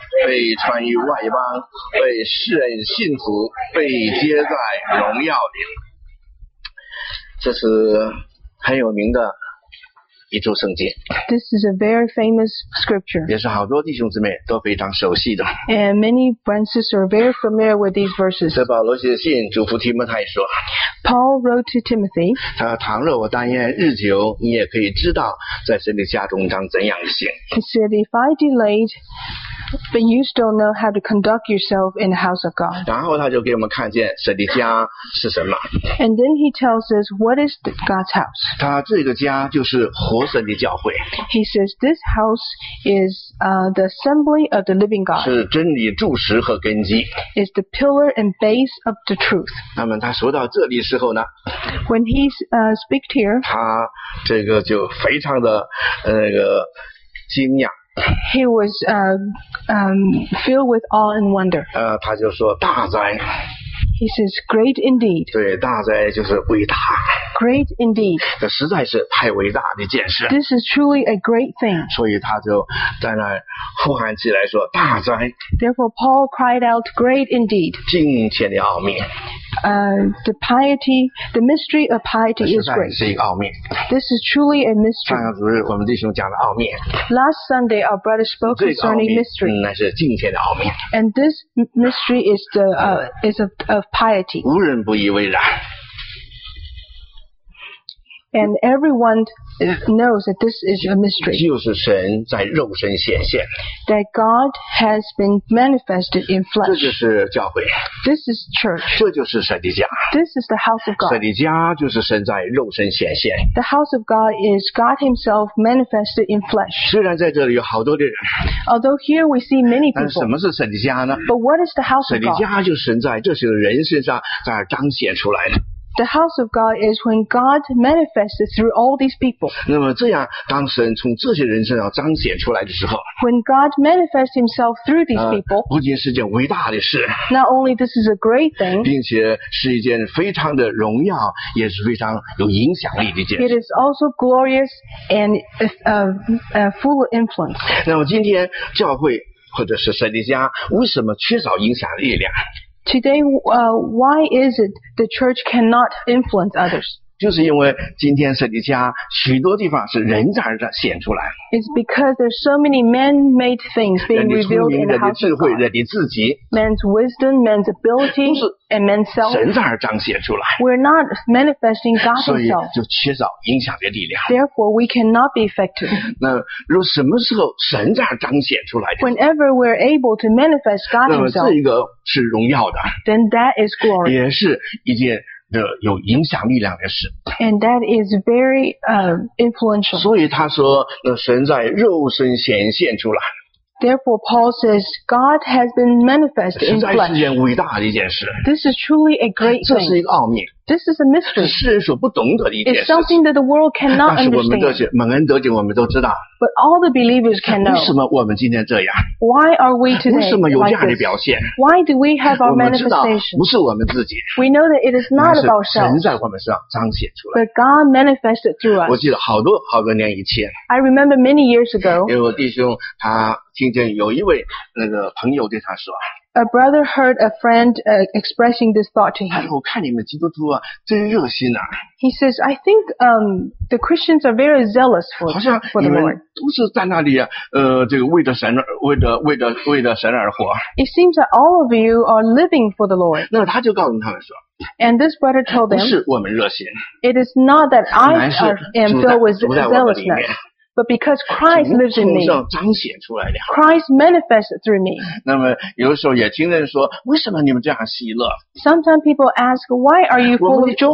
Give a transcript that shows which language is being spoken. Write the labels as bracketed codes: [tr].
[zh] 被传于外邦，被世人信服，被接在荣耀里。这是很有名的一处圣经。 [en] This is a very famous scripture. [zh] 也是好多弟兄姊妹都非常熟悉的。 [en] And many friends are very familiar with these verses. [zh] 这保罗写的信，嘱咐提摩太说。 [en] Paul wrote to Timothy. [zh] 他说：“倘若我但愿日久，你也可以知道在神的家中当怎样行。” [en] He said, "If I delayed, but you still know how to conduct yourself in the house of God." [zh] 然后他就给我们看见神的家是什么。 [en] And then he tells us what is God's house. [zh] 他这个家就是活神的教会。 [en] He says this house is the assembly of the living God. [zh] 是真理柱石和根基。 [en] Is the pillar and base of the truth. [zh] 那么他说到这里。时候呢 [en] When he speaks here, [zh] 他这个就非常的那个惊讶。 [en] He was filled with awe and wonder. [zh] 他就说大哉。 [en] He says great indeed. [zh] 对，大哉就是伟大。 [en] Great indeed. [zh] 这实在是太伟大的见识。 [en] This is truly a great thing. [zh] 所以他就在那呼喊起来说大哉。 [en] Therefore, Paul cried out, "Great indeed." [zh] 敬虔的奥秘。 [en] The piety, the mystery of piety is great. [zh] 实在是一个奥秘。 [en] This is truly a mystery. [zh] 上个主日我们弟兄讲的奥秘。 [en] Last Sunday, our brother spoke concerning mystery. [zh] 那是敬虔的奥秘。 [en] And this mystery is the is of piety. [zh] 无人不以为然。 [en] And everyone knows that this is a mystery. [zh] 就是神在肉身显现。 [en] That God has been manifested in flesh. [zh] 这就是教会。 [en] This is church. [zh] 这就是神的家。 [en] This is the house of God. [zh] 神的家就是神在肉身显现。 [en] The house of God is God Himself manifested in flesh. [zh] 虽然在这里有好多的人。 [en] Although here we see many people. [zh] 但什么是神的家呢？ [en] But what is the house of God? [zh] 神的家就是神在这些人身上在彰显出来的。 [en] The house of God is when God manifests through all these people. [zh] 那么这样，当神从这些人身上彰显出来的时候 [en] ，When God manifests Himself through these people, [zh] 不仅是件伟大的事 [en] ，Not only this is a great thing, [zh] 并且是一件非常的荣耀，也是非常有影响力的一件事。 [en] It is also glorious and full of influence. [zh] 那么今天教会或者是神的家为什么缺少影响力量？ [en] Today, why is it the church cannot influence others? [zh] 就是因为今天神的家许多地方是人在这显出来。 [en] It's because there's so many man-made things being revealed in the house of God. [zh] 人的智慧，人的自己。 [en] Man's wisdom, man's ability, and man's self. [zh] 神在这彰显出来。 [en] We're not manifesting God Himself. [zh] 所以就缺少影响的力量。 [en] Therefore, we cannot be effective. [zh] 那如果什么时候神在这彰显出来的 [en] ？Whenever we're able to manifest God Himself. [zh] 那么这一个。是荣耀的 [en] Then that is glory. [zh] 也是一件的有影响力量的事 [en] And that is very, influential. [zh] 所以他说那神在肉身显现出来 [en] Therefore Paul says God has been manifest in flesh. [zh] 实在是件伟大的一件事 [en] This is truly a great thing. [zh] 这是一个奥秘 [en] This is a mystery. [zh] 是世人所不懂得的一件事 [en] It's something that the world cannot understand. [zh] 但是我们这些蒙恩得救我们都知道 [en] But all the believers can know. [zh] 为什么我们今天这样 [en] ？Why are we today like this？ [zh] 为什么有这样的表现 [en] ？Why do we have our manifestation？ [zh] 我们知道不是我们自己。 [en] We know that it is not about ourselves. [zh] 神在我们身上彰显出来。 [en] But God manifested through us. [zh] 我记得好多好多年以前。 [en] I remember many years ago. [zh] 因为我弟兄他听见有一位那个朋友对他说。 [en] A brother heard a friend expressing this thought to him. [zh] 哎，我看你们基督徒啊，真热心啊。 [en] He says, I think the Christians are very zealous for the Lord. [zh] 好像你们都是在那里啊，这个为着神，为着神而活。 [en] It seems that all of you are living for the Lord. [zh] 那他就告诉他们说。 [en] And this brother told them. [zh] 不是我们热心。 [en] It is not that I am filled with zealousness. But because Christ lives in me, [zh] 从上彰显出来的。 [en] Christ manifests through me. [zh] 那么有的时候也听人说，为什么你们这样喜乐 [en] ？Sometimes people ask, why are you full of joy?